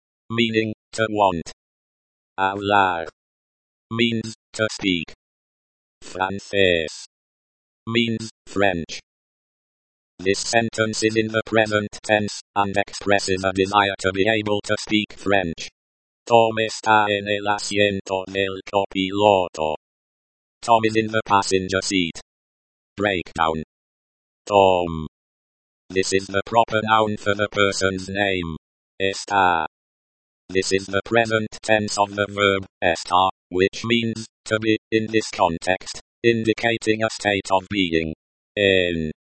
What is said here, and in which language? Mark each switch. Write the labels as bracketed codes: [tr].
[en] Meaning, to want. Hablar. Means, to speak. Francés. Means, French. This sentence is in the present tense, and expresses a desire to be able to speak French. [es] Tom está en el asiento del copiloto. [en] Tom is in the passenger seat. Breakdown. Tom. This is the proper noun for the person's name. Está. This is the present tense of the verb, estar, which means, to be, in this context, indicating a state of being. N.